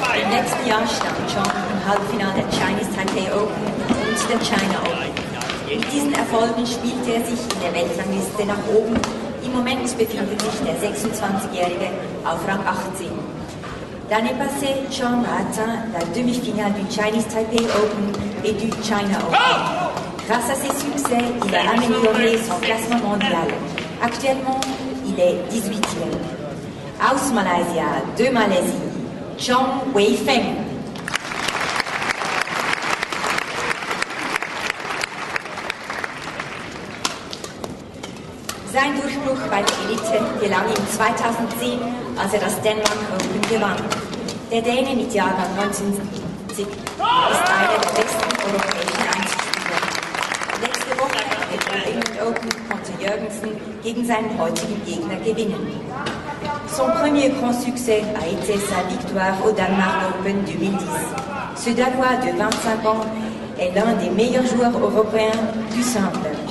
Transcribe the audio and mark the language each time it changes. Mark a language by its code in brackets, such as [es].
[de] letzten Jahr stand, schon im Halbfinale der Chinese Taipei Open und der China Open. Mit diesen Erfolgen spielte er sich in der Weltrangliste nach oben. Im Moment befindet sich der 26-Jährige auf Rang 18. [fr] L'année passée, Chong a atteint la demi-finale du Chinese Taipei Open et du China Open. Grâce à ses succès, il a amélioré son classement mondial. Actuellement, il est 18e. [de] Aus Malaysia, [fr] de Malaisie, Chong Weifeng. [de] Sein Durchbruch bei der Elite gelang ihm 2010, als er das Denmark Open gewann. Der Däne mit Jahrgang 1970 ist einer der besten europäischen Einzelspieler. Letzte Woche mit dem England Open konnte Jürgensen gegen seinen heutigen Gegner gewinnen. [fr] Son premier grand succès a été sa victoire au Danemark Open 2010. Ce Danois de 25 ans est l'un des meilleurs joueurs européens du simple.